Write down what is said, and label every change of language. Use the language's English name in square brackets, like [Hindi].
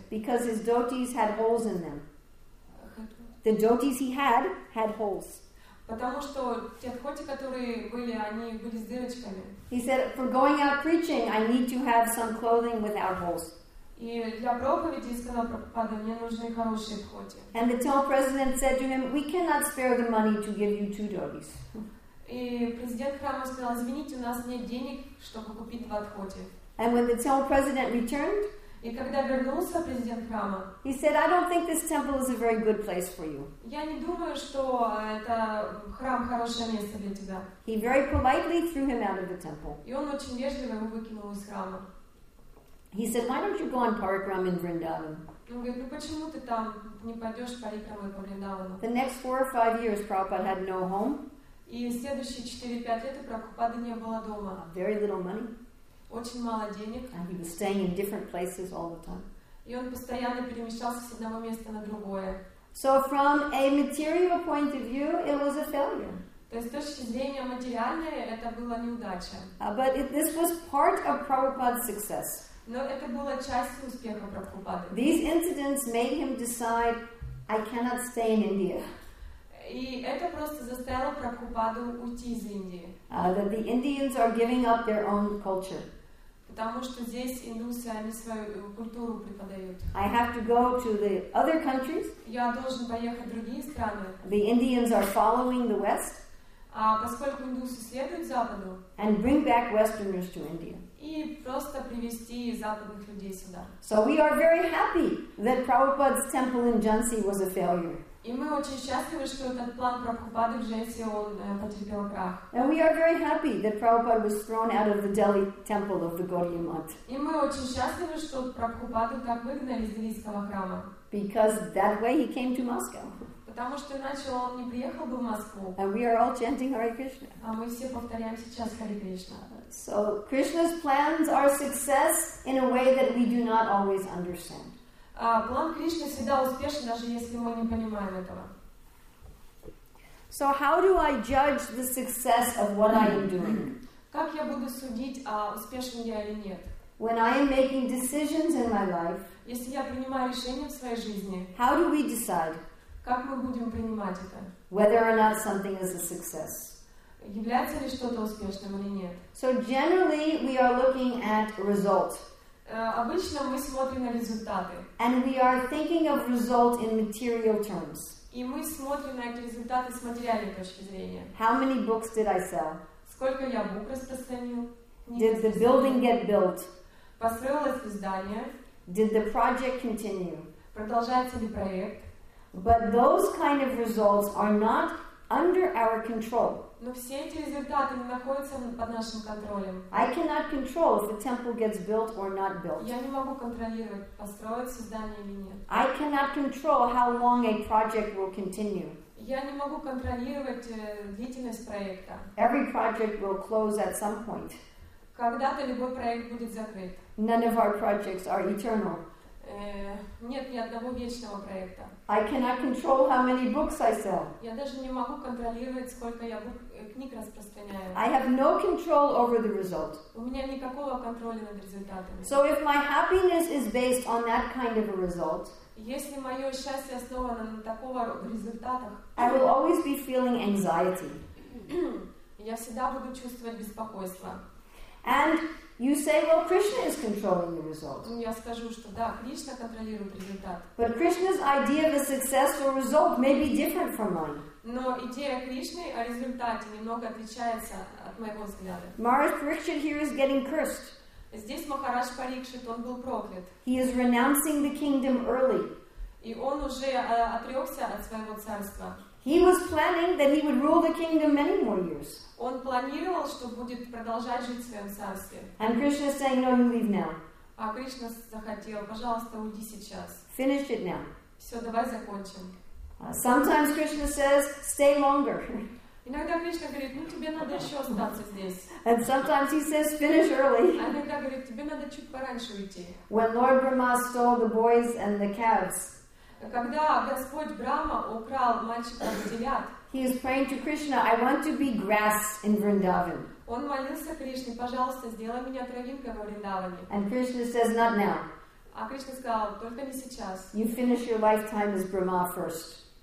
[English] Because his dhotis had holes in them. The dhotis he had holes. [Russian] Потому что те дхоти, которые были, они были с дырочками. [English] He said, for going out preaching, I need to have some clothing without holes. [Russian] И для проповеди, сказал Прабхупада, мне нужны хорошие дхоти. [English] And the temple president said to him, we cannot spare the money to give you two dhotis. [Russian] И президент храма сказал, извините, у нас нет денег, чтобы купить два дхоти. [English] And when the temple president returned, [Russian] и когда вернулся президент храма, [English] he said, I don't think this temple is a very good place for you. [Russian] Я не думаю, что это храм хорошее место для тебя. [English] He very politely threw him out of the temple. [Russian] И он очень вежливо его выкинул из храма. [English] He said, why don't you go on parikram in Vrindavan? [Russian] Он говорит, ну почему ты там не пойдешь парикрамой по Вриндавану? [English] The next 4 or 5 years, Prabhupada had no home. [Russian] И следующие 4-5 лет у Прабхупады не было дома. [English] Very little money. [Russian] Очень мало денег. [English] And he was staying in different places all the time. [Russian] И он постоянно перемещался с одного места на другое. [English] So from a material point of view, it was a failure. [Russian] То есть с точки зрения материальной, это была неудача. [English] But this was part of Prabhupada's success. [Russian] Но это была часть успеха Прабхупады. [English] These incidents made him decide, I cannot stay in India. [Russian] И это просто заставило Прабхупаду уйти из Индии. [English] That the Indians are giving up their own culture. [Russian] Потому что здесь индусы, они свою культуру преподают. [English] I have to go to the other countries. [Russian] Я должен поехать в другие страны. [English] The Indians are following the West. [Russian] А поскольку индусы следуют Западу. [English] And bring back Westerners to India. [Russian] И просто привести западных людей сюда. [English] So we are very happy that Prabhupada's temple in Jhansi was a failure. [Russian] И мы очень счастливы, что этот план Прабхупады в Джесси, он потерпел крах. [English] And we are very happy that Prabhupada was thrown out of the Delhi temple of the Gaudiya Math. [Russian] И мы очень счастливы, что Прабхупаду так выгнали из Делийского храма. [English] Because that way he came to Moscow. [Russian] Потому что иначе он не приехал бы в Москву. [English] And we are all chanting Hare Krishna. [Russian] А мы все повторяем сейчас Hare Krishna. [English] So Krishna's plans are success in a way that we do not always understand. [Russian] План Кришны всегда успешен, даже если мы не понимаем этого. [English] So how do I judge the success of what I am doing? [Russian] Как я буду судить, успешен я или нет? [English] When I am making decisions in my life, [Russian] если я принимаю решения в своей жизни, [English] how do we decide? [Russian] Как мы будем принимать это? [English] Whether or not something is a success. [Russian] Является ли что-то успешным или нет? [English] So generally we are looking at result. [Russian] Обычно мы смотрим на результаты. [English] And we are thinking of result in material terms. [Russian] И мы смотрим на эти результаты с материальной точки зрения. [English] How many books did I sell? [Russian] Сколько я бук распространил? [English] Did the building get built? [Russian] Построилось ли здание? [English] Did the project continue? [Russian] Продолжается ли проект? [English] But those kind of results are not under our control. [Russian] Но все эти результаты не находятся под нашим контролем. [English] I cannot control if the temple gets built or not built. [Russian] Я не могу контролировать, построится здание или нет. [English] I cannot control how long a project will continue. [Russian] Я не могу контролировать длительность проекта. [English] Every project will close at some point. [Russian] Когда-то любой проект будет закрыт. [English] None of our projects are eternal. [Russian] Нет ни одного вечного проекта. [English] I cannot control how many books I sell. [Russian] Я даже не могу контролировать, сколько я книг распространяю. [English] I have no control over the result. [Russian] У меня никакого контроля над результатами. [English] So if my happiness is based on that kind of a result, [Russian] если мое счастье основано на такого результатах, [English] I will always be feeling anxiety. [Russian] Я всегда буду чувствовать беспокойство. [English] And you say, well, Krishna is controlling the result. [Russian] Я скажу, что да, Кришна контролирует результат. [English] But Krishna's idea of a success or result may be different from mine. [Russian] Но идея Кришны о результате немного отличается от моего взгляда. [English] Maharaj Parikshit here is getting cursed. [Russian] Здесь Махарадж Парикшит, он был проклят. [English] He is renouncing the kingdom early. [Russian] И он уже отрекся от своего царства. [English] He was planning that he would rule the kingdom many more years. [Russian] Он планировал, что будет продолжать жить в своем царстве. [English] And Krishna is saying, no, you leave now. [Russian] А Кришна захотел, пожалуйста, уйди сейчас. [English] Finish it now. [Russian] Все, давай закончим. [English] Sometimes Krishna says, stay longer. [Russian] Иногда Кришна говорит, ну тебе надо еще остаться здесь. [English] And sometimes he says, finish early. [Russian] А иногда говорит, тебе надо чуть пораньше уйти. [English] When Lord Brahma stole the boys and the calves, [Russian] когда Господь Брама украл мальчиков и телят, [English] he is praying to Krishna, I want to be grass in Vrindavan. [Russian] Он молился Кришне, пожалуйста, сделай меня травинкой во Вриндаване. [English] And Krishna says, not now. [Russian] А Кришна сказал, только не сейчас. [English] You finish your lifetime as Brahma first.